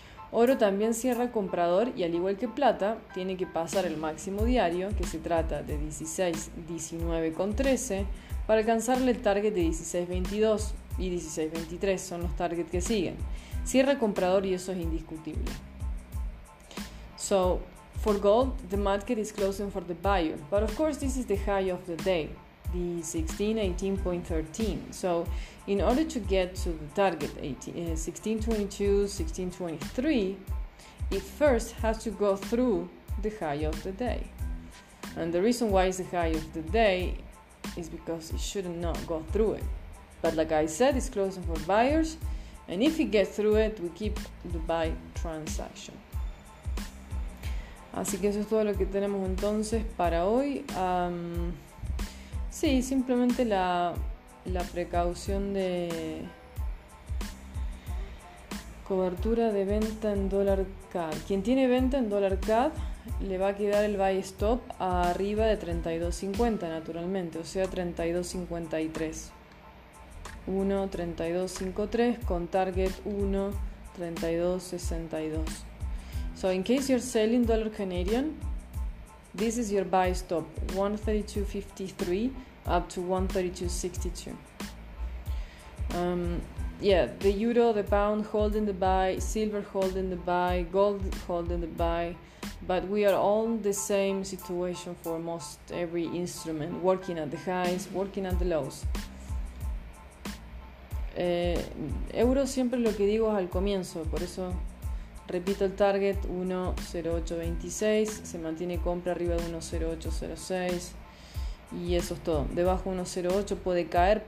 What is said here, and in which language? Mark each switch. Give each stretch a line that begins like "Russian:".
Spanish: Oro también cierra comprador y, al igual que plata, tiene que pasar el máximo diario, que se trata de 16.19.13, para alcanzarle el target de 16.22 y 16.23, son los targets que siguen. Cierra comprador y eso es indiscutible.
English: So, for gold, the market is closing for the buyer, but of course this is the high of the day, the 16.18.13. So, in order to get to the target 16.22, 16.23, it first has to go through the high of the day. And the reason why it's the high of the day is because it should not go through it. But like I said, it's closing for buyers, and if it gets through it, we keep the buy transaction.
Spanish: Así que eso es todo lo que tenemos entonces para hoy. Sí, simplemente la precaución de cobertura de venta en dólar CAD. Quien tiene venta en dólar CAD le va a quedar el buy stop arriba de 32.50, naturalmente, o sea, 32.53. 1.3253 con target 1.3262.
English: So, in case you're selling dollar Canadian, this is your buy stop, 1.3253 up to 1.3262. The euro, the pound holding the buy, silver holding the buy, gold holding the buy, but we are all in the same situation for most every instrument, working at the highs, working at the lows.
Spanish: Euro siempre lo que digo es al comienzo, por eso repito el target 1.0826, se mantiene compra arriba de 1.0806 y eso es todo. Debajo de 1.08 puede caer, pero no hay venta que se justifique para hacer a este punto.